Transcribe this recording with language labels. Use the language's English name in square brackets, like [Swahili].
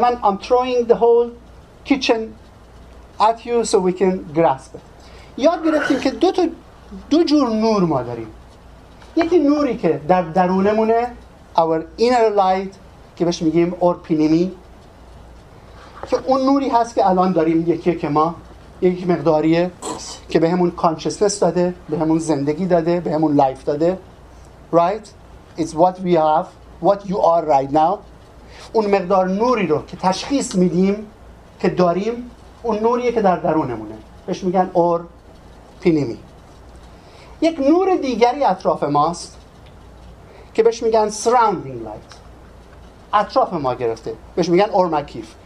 [English] من I'm throwing the whole kitchen at you so we can grasp it. [Persian] یاد گرفتیم که دو جور نور ما داریم. یکی نوری که در درونمونه، [English] our inner light [Persian] که بهش میگیم اورپینیمی، که اون نوری هست که الان داریم، یکی که ما یک مقداریه که به همون consciousness داده، به همون زندگی داده، به همون life داده. [English] Right? It's what we have, what you are right now. [Persian] اون مقدار نوری رو که تشخیص میدیم که داریم، اون نوریه که در درونمونه، بهش میگن اور پینیمی. یک نور دیگری اطراف ماست که بهش میگن surrounding light، اطراف ما گرفته، بهش میگن اور مکیف.